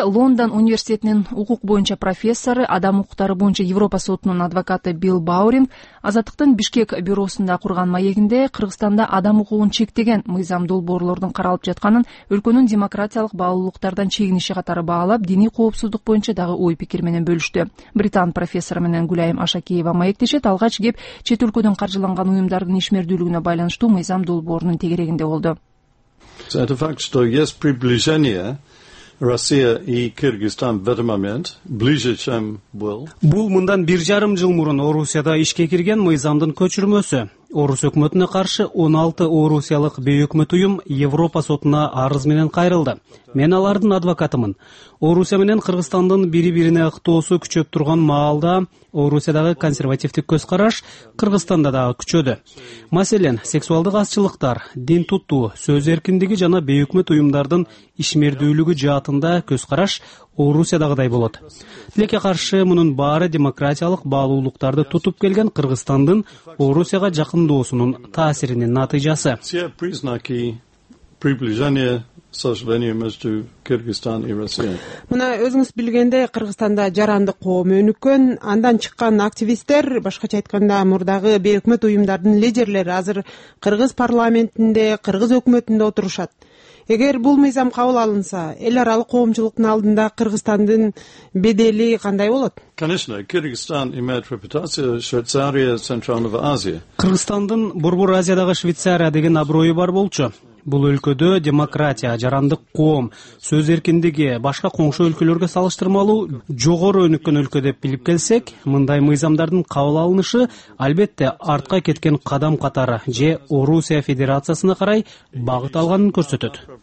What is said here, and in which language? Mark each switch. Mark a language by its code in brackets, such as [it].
[ky] Лондон университетинин укук боюнча профессору, адам укуктары боюнча Европа сотунун адвокаты Билл Бауринг азаттыктын Бишкек бюросунда курган маегинде Кыргызстанда адам укугун чектеген мыйзам долбоорлордун каралып жатканын өлкөнүн демократиялык баалуулуктардан чегиниши катары баалап, диний коопсуздук боюнча дагы ой пикир менен бөлүштү. Британ профессору менен Гүлайым Ашакеева маектешет. Алгач кеп чет өлкөдөн каржыланган уюмдардын ишмердүүлүгүнө байланыштуу мыйзам долбоорунун тегерегинде болду. [ru] Это факт, что есть приближение Россия и Кыргызстан в этот момент ближе, чем был. [ky] Бул мындан 1.5 жыл мурун Орусияда ишке кирген мыйзамдын көчүрмөсү. Орус өкмөтүнө каршы 16 орусиялык бейөкмөт уюм Европа сотуна арыз менен кайрылды. Мен алардын адвокатымын. Орусия менен Кыргызстандын бири-бирине ыктоосу күчөп турган маалда Орусиядагы консервативдик көз караш Кыргызстанда дагы күчөдү. Маселен, сексуалдык азчылыктар, дин туттуу, сөз эркиндиги жана бейөкмөт уюмдардын ишмердүүлүгү жаатында көз караш Орусиядагыдай болот. Тилекке каршы мунун баары демократиялык баалуулуктарды тутуп келген Кыргызстандын Орусияга жакындоосунун таасиринин натыйжасы. [ru] Все признаки приближения, к сожалению, между Кыргызстан и Россия. [ky] Мына өзүңүз билгендей, Кыргызстанда жарандык коом өнүккөн, андан чыккан активисттер, башкача айтканда мурдагы бейөкмөт уюмдардын лидерлери азыр кыргыз парламентинде, кыргыз өкмөтүндө отурушат. Эгер бул мыйзам кабыл алынса, эл аралык коомчулуктун алдында Кыргызстандын бедели кандай болот? [ru] Конечно, Кыргызстан имеет репутация Швейцария, Центральная Азия. [ky] Кыргызстандын Борбор Азиядагы Швейцария деген аброю бар болчу. Бул өлкөдө демократия, жарандык коом, сөз эркиндиги башка коңшу өлкөлөргө салыштырмалуу жогору өнүккөн өлкө деп билип келсек, мындай мыйзамдардын кабыл алынышы албетте артка кеткен кадам катары же Орусия Федерациясына карай багыт алганын көрсөтөт.